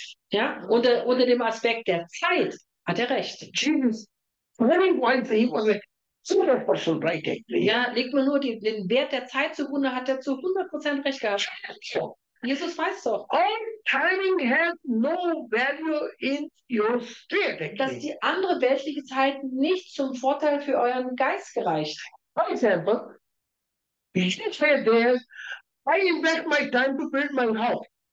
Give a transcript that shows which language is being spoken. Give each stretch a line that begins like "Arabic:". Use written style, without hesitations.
German: Ja, unter dem Aspekt der Zeit hat er recht.
English: Jesus, many points he was a 100% right.
German: Ja, legt man nur den Wert der Zeit zugrunde, hat er zu 100% recht gehabt. Jesus weiß doch.
English: All timing has no value in your spirit.
German: Dass die andere weltliche Zeit nicht zum Vorteil für euren Geist gereicht.
English: For example, you just say there, I invest my time to build my house.